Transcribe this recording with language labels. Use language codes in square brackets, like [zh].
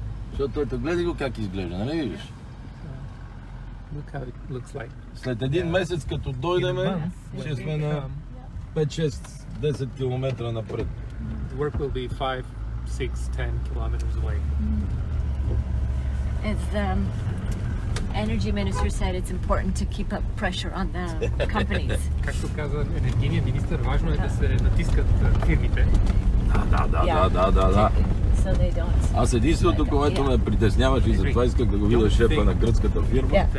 [bg] Защото ето гледай го как изглежда, нали видиш? [en] Look how it looks like. [bg] След един месец като дойдеме, ще сме на 5-6-10 км напред. The work will be 5-6-10 km away. [en] As the energy minister said, it's important to keep up pressure on the companies. [bg] Както каза енергийният министър, важно е да се натискат фирмите. Да. [en] So they don't. [bg] Аз единството, което ме притесняваше и затова исках да го видя шефа на гръцката фирма.